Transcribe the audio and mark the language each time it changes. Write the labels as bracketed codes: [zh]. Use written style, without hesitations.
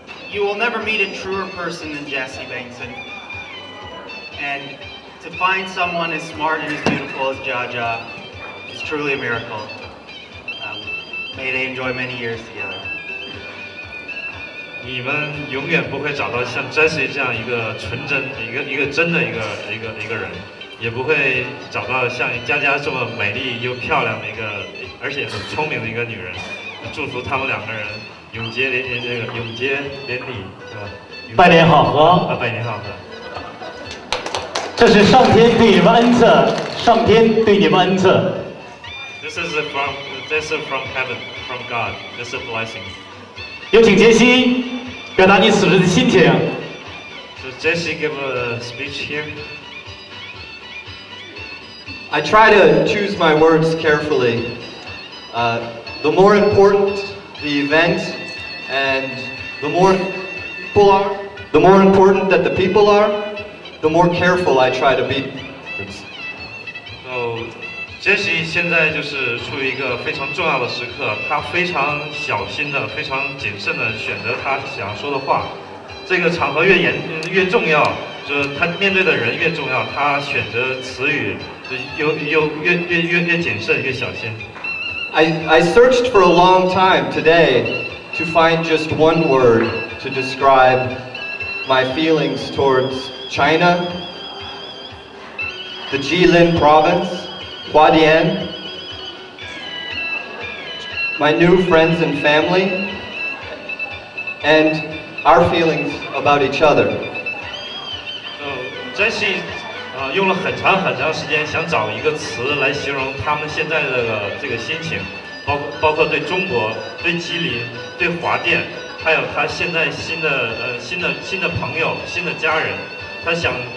[en] You will never meet a truer person than Jesse Bankson. And to find someone as smart and as beautiful as Jaja is truly a miracle. May they enjoy many years together. [zh] 你们永远不会找到像 Jesse 这样一个纯真、一个真的一个人，也不会找到像佳佳这么美丽又漂亮的一个，而且很聪明的一个女人。祝福他们两个人。永结连这个永结连理，百年好合啊！百年好合，这是上天对你们恩赐，上天对你们恩赐。 [en] This is from heaven, from God. This is a blessing. [zh] 有请杰西表达你此时的心情。 [en] So Jesse, give a speech here. I try to choose my words carefully. The more important the event. And the more people are, the more important that the people are, the more careful I try to be. [zh] So, Jesse 现在就是处于一个非常重要的时刻，他非常小心的、非常谨慎的选择他想要说的话。这个场合越重要，就是他面对的人越重要，他选择词语又越谨慎、越小心。 [en] I searched for a long time today. To find just one word to describe my feelings towards China, the Jilin province, Huadian, my new friends and family, and our feelings about each other. [zh] Jesse, 用了很长很长时间想找一个词来形容他们现在的这个心情。包括对中国、对吉林、对华电，还有他现在新的朋友、新的家人，他想